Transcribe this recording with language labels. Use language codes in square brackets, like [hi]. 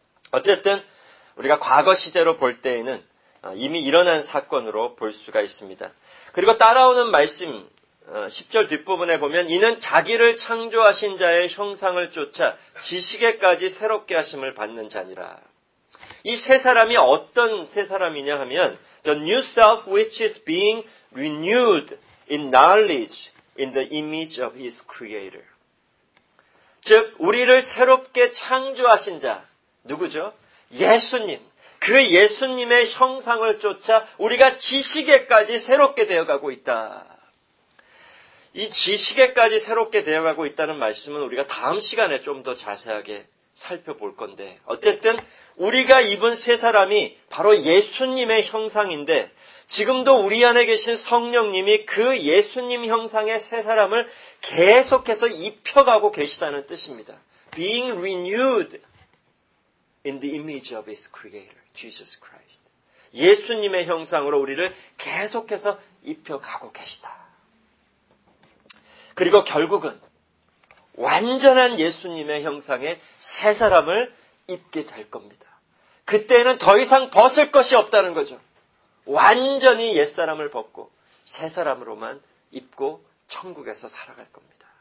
[ko] 어쨌든 우리가 과거 시제로 볼 때에는 이미 일어난 사건으로 볼 수가 있습니다. 그리고 따라오는 말씀 10절 뒷부분에 보면 이는 자기를 창조하신 자의 형상을 쫓아 지식에까지 새롭게 하심을 받는 자니라. 이 새 사람이 어떤 새 사람이냐 하면 [en] The new self which is being renewed in knowledge in the image of his creator. [ko] 즉 우리를 새롭게 창조하신 자 누구죠? 예수님. 그 예수님의 형상을 쫓아 우리가 지식에까지 새롭게 되어가고 있다. 이 지식에까지 새롭게 되어가고 있다는 말씀은 우리가 다음 시간에 좀 더 자세하게 살펴볼 건데 어쨌든 우리가 입은 새 사람이 바로 예수님의 형상인데 지금도 우리 안에 계신 성령님이 그 예수님 형상의 새 사람을 계속해서 입혀가고 계시다는 뜻입니다. [en] Being renewed in the image of his creator, Jesus Christ. [ko] 예수님의 형상으로 우리를 계속해서 입혀가고 계시다. 그리고 결국은 완전한 예수님의 형상의 새 사람을 입게 될 겁니다. 그때는 더 이상 벗을 것이 없다는 거죠. 완전히 옛사람을 벗고 새 사람으로만 입고 천국에서 살아갈 겁니다.